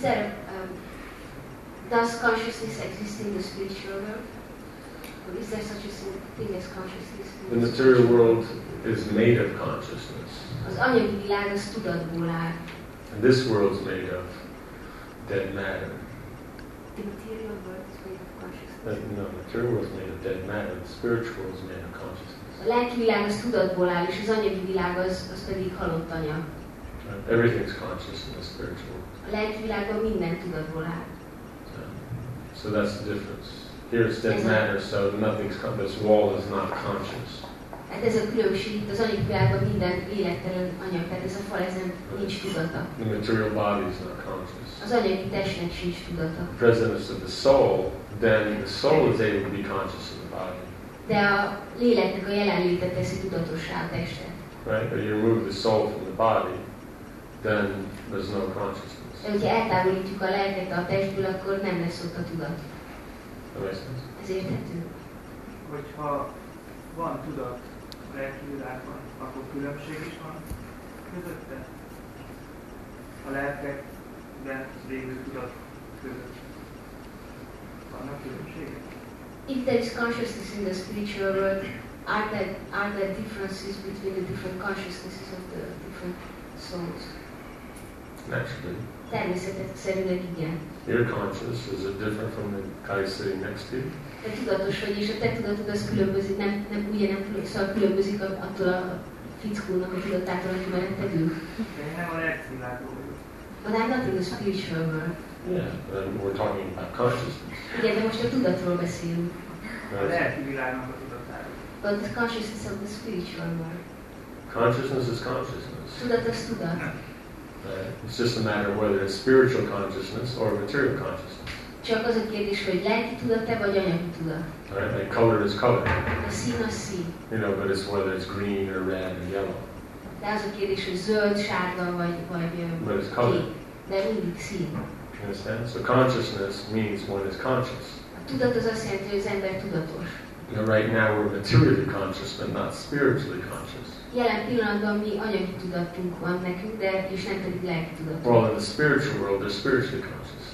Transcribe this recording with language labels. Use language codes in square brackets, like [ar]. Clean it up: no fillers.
[en] there does consciousness exist in the spiritual world? Or is there such a thing as consciousness? The material world is made of consciousness. [hu] Az anyagi világ az tudatból áll. [en] And this world is made of dead matter. The material world is made of consciousness. No, the material world is made of dead matter. The spiritual world is made of consciousness. [hu] A lelki világ az tudatból áll, és az anyagi világ az pedig halott anyag. [en] Everything is conscious in the spiritual. [hu] A lelki világban minden tudatból áll. [en] So that's the difference. Here it's dead matter, so nothing's this wall is not conscious. [hu] Hát ez a különbség, itt az anyagi világban minden élettelen anyag, tehát ez a fal, ezen nincs tudata. [en] The material body is not conscious. [hu] Az anyagi testnek sincs tudata. [en] The presence of the soul, then the soul is able to be conscious in the body. [hu] De a léleknek a jelenléte teszi tudatossá a testet. [en] Right, but you remove the soul from the body, then there's no consciousness. [hu] De hogyha eltávolítjuk a lelket a testből, akkor nem lesz ott a tudat. Ez érthető. Hogyha van tudat a lelki világban, akkor különbség is van közötte? A lelkekben lévő tudat között. Vannak különbségek? [en] If there is consciousness in the spiritual world, are there differences between the different consciousnesses of the different souls? Naturally. [hu] Természetesen igen. [en] Your conscious is it different from the guy sitting next to you? [hu] Te tudatos vagy, és a te tudatod az különbözik, nem ugyanem tudod, szóval különbözik attól a fickónak a tudatától, aki melletted ül. Nem a lelkvilágról. [en] But I'm not in the spiritual world. Yeah, and we're talking about consciousness. [hu] Igen, de most a tudatról beszélünk. A lelkvilágnak a tudatáról. [en] But the consciousness of the spiritual world. Consciousness is consciousness. [hu] Tudat az tudat. [en] It's just a matter of whether it's spiritual consciousness or material consciousness. [hu] Csak az a kérdés, hogy lelki tudat-e vagy anyagi tudat. [en] Right, like color is color. [hu] A szín az szín. [en] You know, but it's whether it's green or red or yellow. [hu] De az a kérdés, hogy zöld, sárga vagy [en] but it's color. [hu] De mindig szín. [en] You understand? So consciousness means one is conscious. [hu] A tudat az azt jelenti, hogy az ember tudatos. [en] You know, right now we're materially conscious, but not spiritually conscious. [hu] Jelen pillanatban mi anyagi tudatunk van nekünk, de és nem pedig lelki tudatunk. [en] Well, in the spiritual world, they're spiritually conscious.